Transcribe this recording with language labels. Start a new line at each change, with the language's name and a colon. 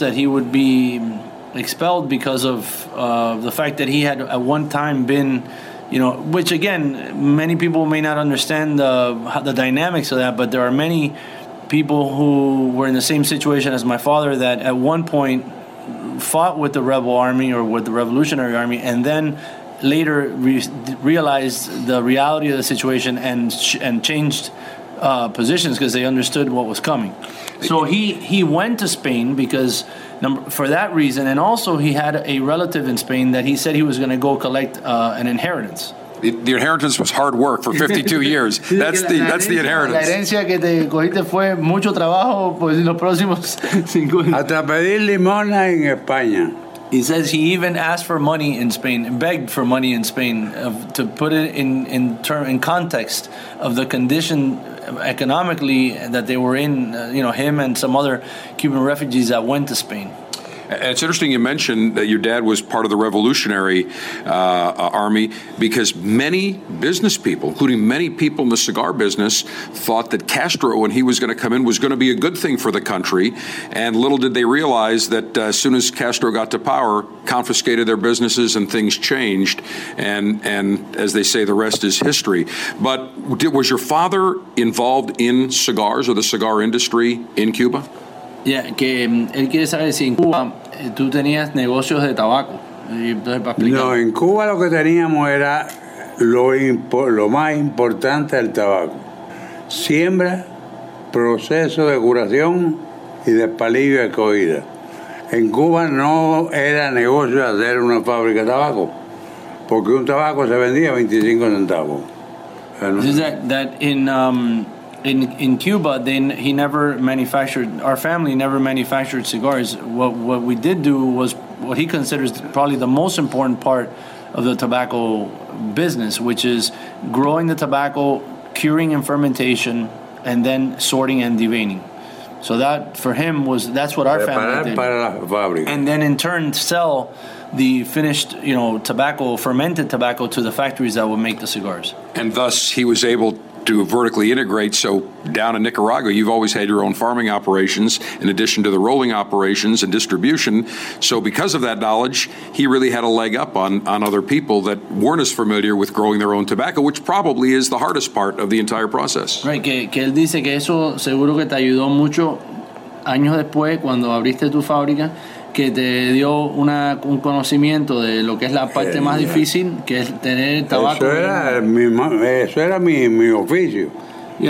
English: that he would be expelled because of the fact that he had at one time been, you know, which again, many people may not understand the dynamics of that, but there are many people who were in the same situation as my father that at one point fought with the rebel army or with the revolutionary army and then later realized the reality of the situation and changed positions because they understood what was coming. So he went to Spain because for that reason, and also he had a relative in Spain that he said he was going to go collect an inheritance. The inheritance was hard work for 52 years. That's the inheritance.
Spanish: La herencia que te cogiste fue mucho trabajo por los próximos 50 años. Hasta pedir limona en España.
English: He says he even asked for money in Spain, begged for money in Spain, to put it in context of the condition economically that they were in, you know, him and some other Cuban refugees that went to Spain. And it's interesting you mentioned that your dad was part of the Revolutionary Army because many business people, including many people in the cigar business, thought that Castro, when he was going to come in, was going to be a good thing for the country. And little did they realize that as soon as Castro got to power, confiscated their businesses and things changed. And as they say, the rest is history. But was your father involved in cigars or the cigar industry in Cuba?
Spanish: Yeah, que él quiere saber si en Cuba tú tenías negocios de tabaco. No, en Cuba lo que teníamos era lo más importante del tabaco. Siembra, proceso de curación y de palillo de coída. En Cuba no era negocio hacer una fábrica de tabaco, porque un tabaco se vendía 25 centavos.
English: In Cuba, he never manufactured, our family never manufactured cigars. What we did do was what he considers probably the most important part of the tobacco business, which is growing the tobacco, curing and fermentation, and then sorting and deveining. So that, for him, that's what our family did.
Spanish: Para la fábrica.
English: And then in turn, sell the finished, you know, tobacco, fermented tobacco to the factories that would make the cigars. And thus, he was able to vertically integrate. So down in Nicaragua, you've always had your own farming operations in addition to the rolling operations and distribution. So because of that knowledge, he really had a leg up on other people that weren't as familiar with growing their own tobacco, which probably is the hardest part of the entire process.
Spanish: Right, que él dice que eso seguro que te ayudó mucho años después cuando abriste tu fábrica, que te dio un conocimiento de lo que es la parte más difícil, que es tener el tabaco. Eso era mi oficio, yeah.